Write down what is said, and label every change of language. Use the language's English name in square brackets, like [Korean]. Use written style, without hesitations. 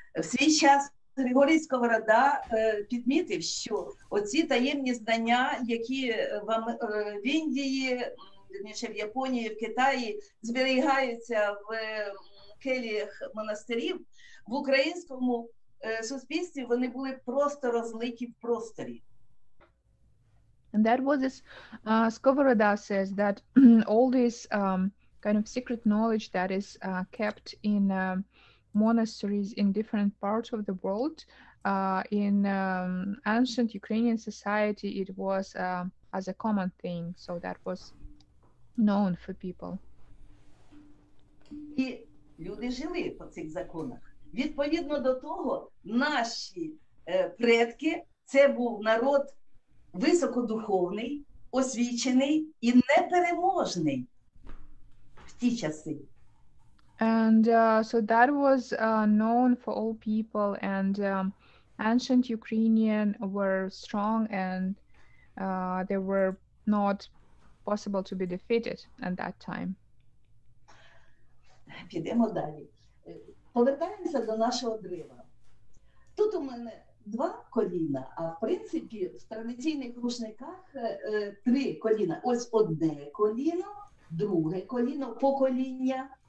[Ukrainian] В свій час Григорій Сковорода підмітив, що оці таємні знання, які вам в Індії, вірніше в Японії, в Китаї зберігаються в келіях монастирів, в українському суспільстві вони були просто розлиті в просторі. [English] And that was this, Сковорода says that all this kind of secret knowledge that is kept in monasteries in different parts of the world. In ancient Ukrainian society, it was as a common thing, so that was known for people. [Ukrainian] І люди жили по цих законах. Відповідно до того, наші предки, це був народ високодуховний, освічений і непереможний в ті часи. [English] And so that was known for all people, and ancient Ukrainian were strong, and they were not possible to be defeated at that time. [Ukrainian] Підемо далі. Повертаємося до нашого дерева. Тут у мене два коліна, а в принципі в традиційних рушниках три коліна. Ось одне коліно, друге коліно, покоління.